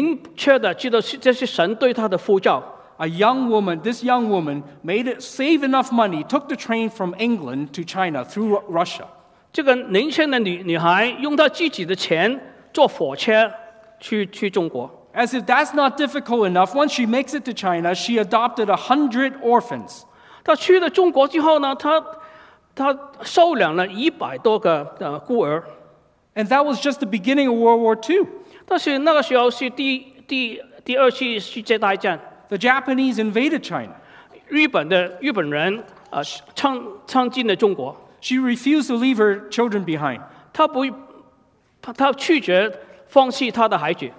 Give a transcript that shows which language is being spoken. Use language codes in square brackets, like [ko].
[zh] 但是她是很明确的知道这是神对她的呼召。 [en] A young woman, this young woman, made it save enough money, took the train from England to China through Russia. [zh] 这个年轻的女孩用她自己的钱坐火车去中国。 [en] As if that's not difficult enough, once she makes it to China, she adopted 100 orphans. [zh] 她去了中国之后呢，她收养了100多个孤儿。 [en] And that was just the beginning of World War II. [zh] 但是那个时候是第二次世界大战。 [en] The Japanese invaded China. [zh] 日本人闯进了中国。 [en] She refused to leave her children behind. [zh] 她拒绝放弃她的孩子。